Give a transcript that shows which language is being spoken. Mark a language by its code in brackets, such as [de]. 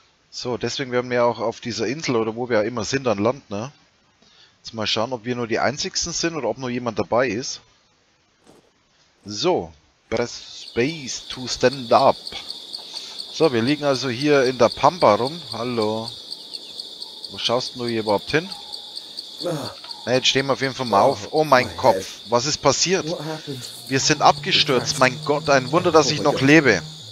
[de] So, deswegen werden wir auch auf dieser Insel oder wo wir immer sind, an Land, ne? Mal schauen, ob wir nur die einzigsten sind oder ob nur jemand dabei ist. [en] So, press space to stand up. [de] So, wir liegen also hier in der Pampa rum. Hallo. Wo schaust du hier überhaupt hin? Na, jetzt stehen wir auf jeden Fall mal auf. Oh mein Kopf, was ist passiert? Wir sind abgestürzt. Mein Gott, ein Wunder, dass ich noch lebe.